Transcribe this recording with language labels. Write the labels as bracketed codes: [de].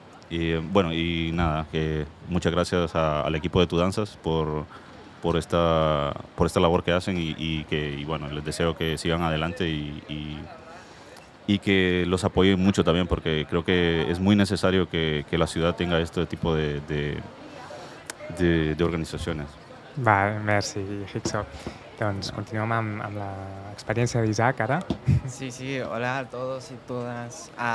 [es] Y bueno, y nada, muchas gracias al equipo de Tu Danza por esta labor que hacen y bueno, les deseo que sigan adelante y que los apoyen mucho también, porque creo que es muy necesario que la ciudad tenga este tipo de organizaciones. [ca] Vale, merci, Hixo. Doncs continuem amb l'experiència d'Isaac ara. [es] Sí, sí, hola a todos y todas.